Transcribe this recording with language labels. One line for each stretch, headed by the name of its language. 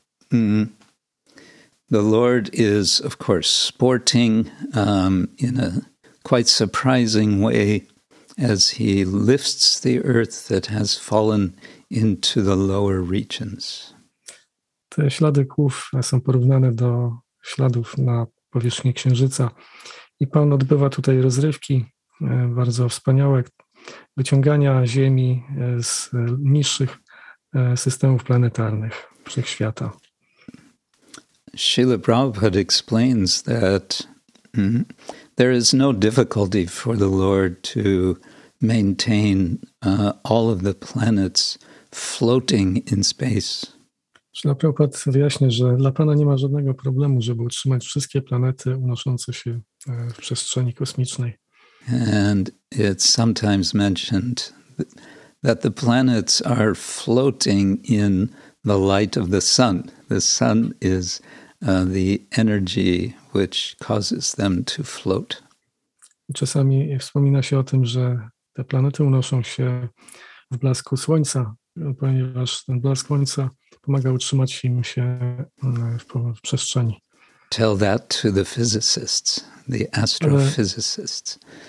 English: The Lord is, of course, sporting in a quite surprising way as he lifts the earth that has fallen into the lower regions.
Polish: Te ślady kłów są porównane do śladów na powierzchni księżyca. I Pan odbywa tutaj rozrywki bardzo wspaniałe, wyciągania ziemi z niższych systemów planetarnych, wszechświata.
English: Śrīla Prabhupāda explains that there is no difficulty for the Lord to maintain all of the planets floating in space.
Polish: Śrīla Prabhupāda wyjaśnia, że dla Pana nie ma żadnego problemu, żeby utrzymać wszystkie planety unoszące się w przestrzeni kosmicznej.
English: And it's sometimes mentioned that the planets are floating in the light of the sun. The sun is the energy which causes them to float.
Polish: Czasami wspomina się o tym, że te planety unoszą się w blasku słońca, ponieważ ten blask słońca pomaga utrzymać im się w przestrzeni.
English: Tell that to the physicists, the astrophysicists.